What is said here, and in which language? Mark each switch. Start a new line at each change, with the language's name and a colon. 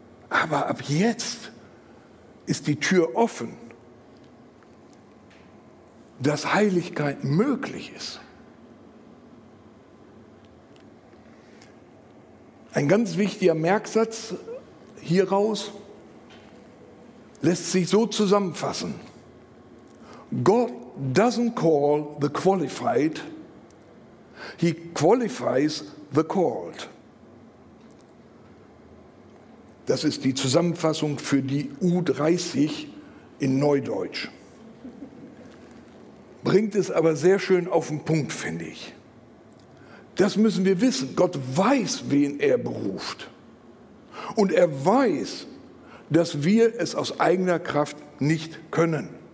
German: Aber ab jetzt ist die Tür offen, dass Heiligkeit möglich ist. Ein ganz wichtiger Merksatz hieraus lässt sich so zusammenfassen.
English: God doesn't call the qualified, he qualifies the called.
German: Das ist die Zusammenfassung für die U30 in Neudeutsch. Bringt es aber sehr schön auf den Punkt, finde ich. Das müssen wir wissen. Gott weiß, wen er beruft. Und er weiß, dass wir es aus eigener Kraft nicht können.